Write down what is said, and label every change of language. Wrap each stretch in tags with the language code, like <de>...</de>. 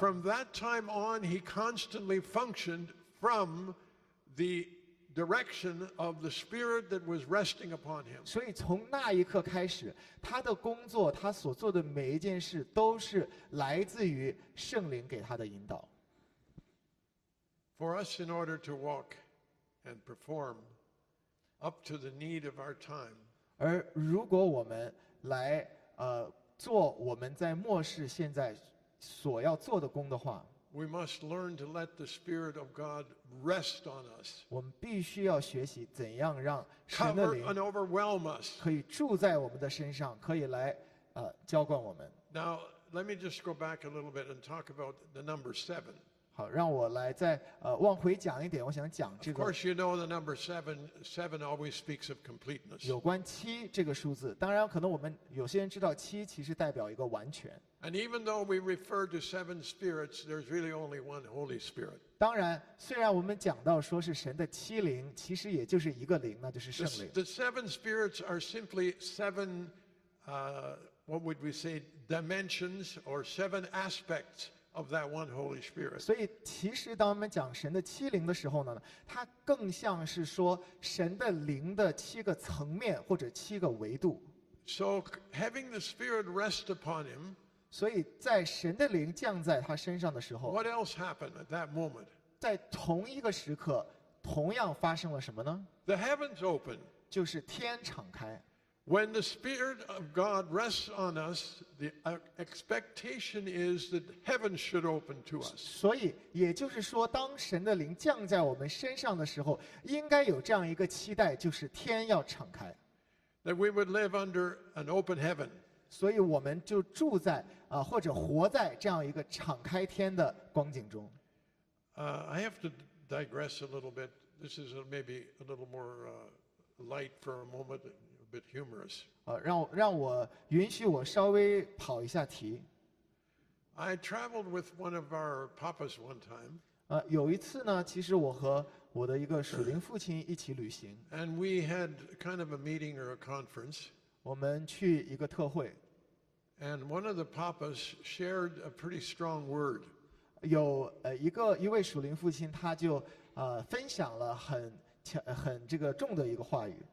<en>From that time on, he constantly functioned from the direction of the Spirit that was resting upon him.</en> <zh>所以从那一刻开始，他的工作，他所做的每一件事，都是来自于圣灵给他的引导。</zh> <en>For us, in order to walk and perform up to the need of our time.</en> <zh>而如果我们来做我们在末世现在所要做的工的话。</zh> <en>We must learn to let the Spirit of God rest on us.</en> <zh>我们必须要学习怎样让神的灵</zh> <en>cover and overwhelm us.</en> <zh>可以住在我们的身上，可以来浇灌我们。</zh> <en>Now, let me just go back a little bit and talk about the number seven.</en> <zh>好，让我来再往回讲一点。我想讲这个。</zh> <en>Of course, you know the number seven always speaks of completeness.</en> <zh>有关七这个数字，当然可能我们有些人知道七其实代表一个完全。</zh> <en>And even though we refer to seven spirits, there's really only one Holy Spirit.</en> <zh>当然，虽然我们讲到说是神的七灵，其实也就是一个灵，那就是圣灵。</zh> <en>The seven spirits are simply seven, what would we say, dimensions or seven aspects of that one Holy Spirit.</en> <zh>所以，其实当我们讲神的七灵的时候呢，它更像是说神的灵的七个层面或者七个维度。</zh> <en>So having the Spirit rest upon him.</en> <zh>所以在神的灵降在他身上的时候</zh> <en>What else happened at that moment?</en> <zh>在同一个时刻同样发生了什么呢</zh> <en>The heavens open</en> <zh>就是天敞开</zh> <en>When the Spirit of God rests on us the expectation is that heaven should open to us</en> <zh>所以也就是说当神的灵降在我们身上的时候应该有这样一个期待就是天要敞开</zh> <en>That we would live under an open heaven</en> <zh>所以我们就住在或者活在这样一个敞开天的光景中。</zh> <en>I have to digress a little bit. This is maybe a little more light for a moment, a bit humorous.</en> <zh>让我允许我稍微跑一下题。</zh> <en>I traveled with one of our papas one time.</en> <zh>有一次呢，其实我和我的一个属灵父亲一起旅行。</zh> <en>And we had kind of a meeting or a conference.</en> <zh>我们去一个特会</zh> <en>and one of the papas shared a pretty strong word</en> <zh>有一位属灵父亲他就分享了很这个重的一个话语</zh>